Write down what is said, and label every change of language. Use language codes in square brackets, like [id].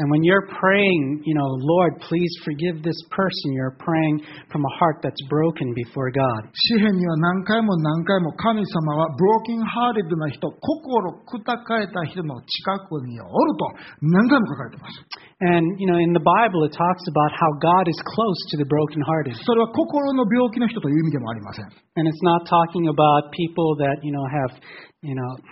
[en] And when you're praying, you know, Lord, please forgive this person, you're praying from a heart that's broken before God. [ja] 詩篇には何回も何回も神様は [en] broken hearted [ja] な人、心砕かれた人の近くにおると何回も書かれてます。 [en] And, you know, in the Bible, it talks about how God is close to the broken hearted. [ja] それは心の病気の人という意味でもありません。 [en] And it's not talking about people that, you know, have, you know,